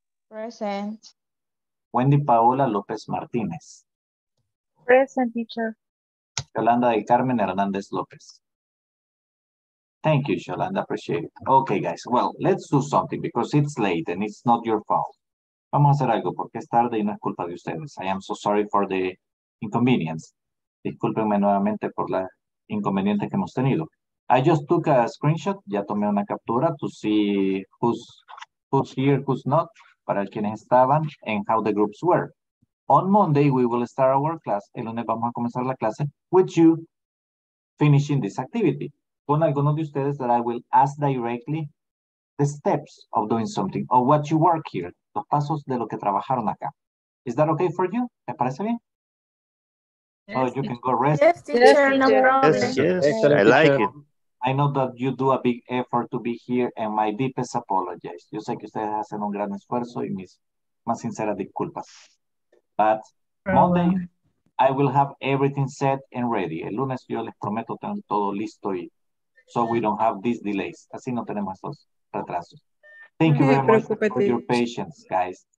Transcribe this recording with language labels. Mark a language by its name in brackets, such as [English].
[English] Present. Wendy Paola López Martínez. Present, teacher. Yolanda del Carmen Hernández López. Thank you, Yolanda, appreciate it. Okay, guys, well, let's do something because it's late and it's not your fault. [Spanish] Vamos a hacer algo porque es tarde y no es culpa de ustedes. [English] I am so sorry for the inconvenience. [Spanish] Discúlpenme nuevamente por la inconveniente que hemos tenido. [English] I just took a screenshot, [Spanish] ya tomé una captura [English] to see who's here, who's not, [Spanish] para quienes estaban, [English] and how the groups were. On Monday, we will start our class, [Spanish] el lunes vamos a comenzar la clase, [English] with you finishing this activity. [Spanish] Con algunos de ustedes [English] that I will ask directly the steps of doing something, or what you work here, [Spanish] los pasos de lo que trabajaron acá. [English] Is that okay for you? [Spanish] ¿Te parece bien? [English] Yes, oh, you can go rest. Yes, teacher, no problem. Yes, yes. I like it. I know that you do a big effort to be here, and my deepest apologies. [Spanish] Yo sé que ustedes hacen un gran esfuerzo y mis más sinceras disculpas. [English] But Monday, I will have everything set and ready. [Spanish] El lunes yo les prometo tener todo listo y [English] so we don't have these delays. [Spanish] Así no tenemos estos retrasos. [English] Thank you very much for your patience, guys.